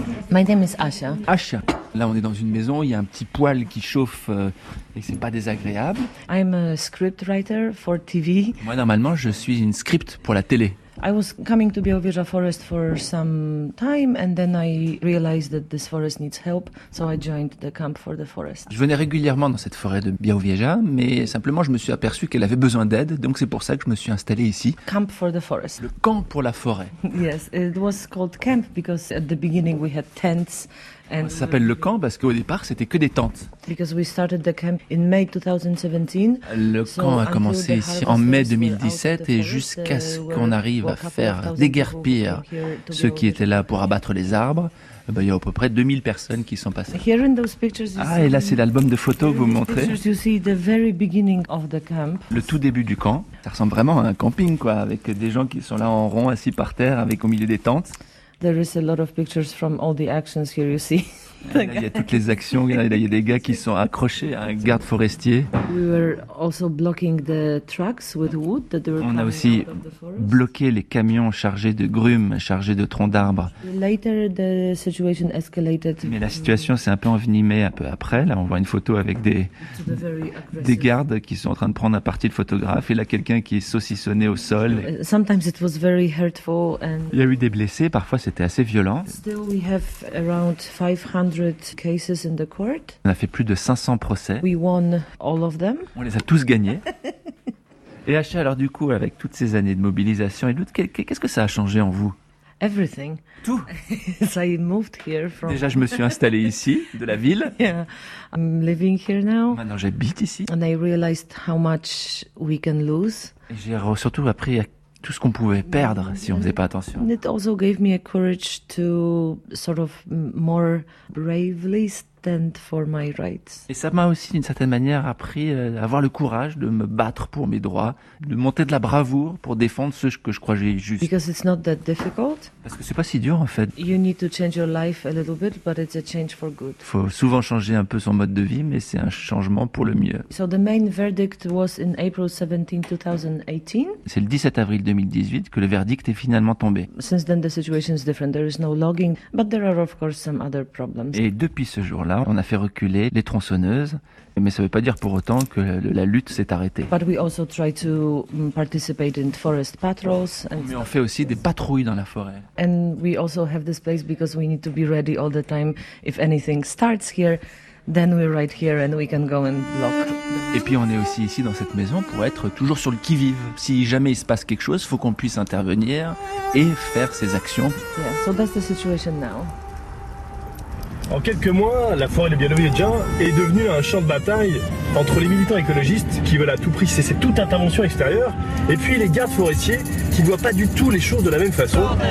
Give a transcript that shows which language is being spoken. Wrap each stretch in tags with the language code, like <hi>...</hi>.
<en>My name is Achia. Achia.</en> <fr>Là, on est dans une maison, il y a un petit poêle qui chauffe et c'est pas désagréable.</fr> <en>I'm a script writer for TV.</en> <fr>Moi, normalement, je suis une script pour la télé.</fr> <en>I was coming to Białowieża Forest for some time and then I realized that this forest needs help, so I joined the camp for the forest.</en> <fr>Je venais régulièrement dans cette forêt de Białowieża, mais simplement je me suis aperçu qu'elle avait besoin d'aide, donc c'est pour ça que je me suis installé ici.</fr> <en>Camp for the forest.</en> <fr>Le camp pour la forêt.</fr> <en>Yes, it was called camp because at the beginning we had tents.</en> <fr>And ça s'appelle le camp parce qu'au départ, c'était que des tentes.</fr> <en>Because we started the camp in May 2017.</en> <fr>Le camp a commencé ici en mai 2017 et jusqu'à ce qu'on arrive à faire déguerpir ceux qui étaient là pour abattre les arbres, ben, il y a à peu près 2000 personnes qui sont passées.</fr> <en>Here in those pictures,</en> <fr>ah, et là, c'est l'album de photos que vous montrez.</fr> <en>You see the very beginning of the camp.</en> <fr>Le tout début du camp. Ça ressemble vraiment à un camping, quoi, avec des gens qui sont là en rond, assis par terre, avec au milieu des tentes.</fr> <en>There is a lot of pictures from all the actions here you see.</en> <fr>Il y a toutes les actions, il y a des gars qui sont accrochés à un garde forestier.</fr> <en>We were also blocking the trucks with wood that they were</en> <fr>on a aussi bloqué les camions chargés de grumes, chargés de troncs d'arbres.</fr> <en>Later the situation escalated.</en> <fr>Mais la situation s'est un peu envenimée un peu après. Là, on voit une photo avec des gardes qui sont en train de prendre un parti de photographe et là quelqu'un qui est saucissonné au sol.</fr> <en>Sometimes it was very hurtful and</en> <fr>il y a eu des blessés, parfois c'était assez violent.</fr> <en>Still we have around 500 cases in the court.</en> <fr>On a fait plus de 500 procès.</fr> <en>We won all of them.</en> <fr>On les a tous gagnés. Et Achia, alors du coup, avec toutes ces années de mobilisation et de lutte, qu'est-ce que ça a changé en vous?</fr> <en>Everything.</en> <fr>Tout.</fr> <en>So I moved here from...</en> <fr>Déjà, je me suis installé ici, de la ville.</fr> <en>Yeah. I'm living here now.</en> <fr>Maintenant, j'habite ici.</fr> <en>And I realized how much we can lose.</en> <fr>Et j'ai surtout appris tout ce qu'on pouvait perdre si on faisait pas attention.</fr> <en>It also gave me a courage to sort of more bravely stand for my rights.</en> <fr>Et ça m'a aussi d'une certaine manière appris à avoir le courage de me battre pour mes droits, de monter de la bravoure pour défendre ce que je crois que j'ai juste.</fr> <en>Because it's not that difficult.</en> <fr>Parce que c'est pas si dur en fait.</fr> <en>You need to change your life a little bit, but it's a change for good.</en> <fr>Faut souvent changer un peu son mode de vie, mais c'est un changement pour le mieux.</fr> <en>So the main verdict was in April 17, 2018.</en> <fr>C'est le 17 avril 2018 que le verdict est finalement tombé.</fr> <en>Since then the situation is different. There is no logging, but there are of course some other problems.</en> <fr>Et depuis ce jour-là, on a fait reculer les tronçonneuses, mais ça veut pas dire pour autant que la lutte s'est arrêtée.</fr> <en>But we also try to participate in forest patrols and</en> <fr>mais on fait aussi des patrouilles dans la forêt.</fr> <en>And we also have this place because we need to be ready all the time. If anything starts here, then we're right here and we can go and block.</en> <fr>Et puis on est aussi ici dans cette maison pour être toujours sur le qui-vive. Si jamais il se passe quelque chose, faut qu'on puisse intervenir et faire ses actions.</fr> <en>Yeah, so that's the situation now.</en> <fr>En quelques mois, la forêt de Białowieża est devenue un champ de bataille entre les militants écologistes qui veulent à tout prix cesser toute intervention extérieure et puis les gardes forestiers qui ne voient pas du tout les choses de la même façon.</fr>